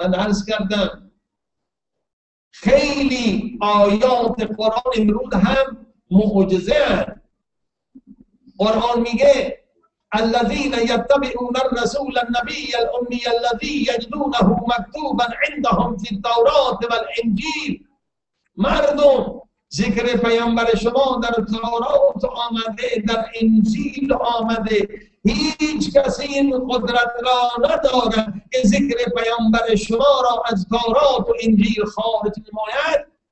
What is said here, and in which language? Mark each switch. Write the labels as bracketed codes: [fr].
[fa] من عرض کردم خیلی آیات قرآن امروز هم معجزه هست. قرآن میگه [ar] الذين يتبعون الرسول النبي الأمي الذي يجدونه مكتوبا عندهم في التوراة والإنجيل. [fa] مردم، ذکر پیامبر شما در تورات آمده، در انجیل آمده. هیچ کسی این قدرت را ندارد که ذکر پیامبر شما را از تورات و انجیل خارج نماید.